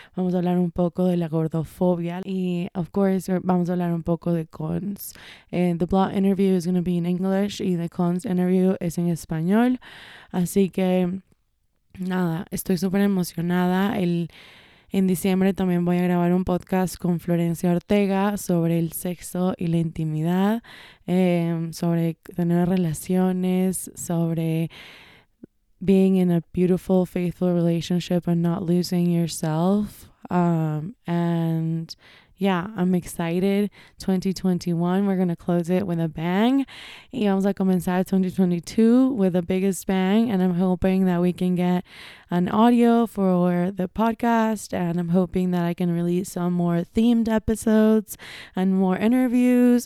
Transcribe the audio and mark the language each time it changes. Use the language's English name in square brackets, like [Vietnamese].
[Spanish] Vamos a hablar un poco de la gordofobia. Y, [English] of course, [Spanish] vamos a hablar un poco de Cons. [English] And the Blot interview is going to be in English. [Spanish] Y [English] the Cons interview [Spanish] es en español. Así que nada, estoy súper emocionada. En diciembre también voy a grabar un podcast con Florencia Ortega sobre el sexo y la intimidad, sobre tener relaciones, sobre [English] being in a beautiful, faithful relationship and not losing yourself. And yeah, I'm excited. 2021, we're going to close it with a bang. [Spanish] Y vamos a comenzar [English] 2022 with the biggest bang. And I'm hoping that we can get an audio for the podcast. And I'm hoping that I can release some more themed episodes and more interviews.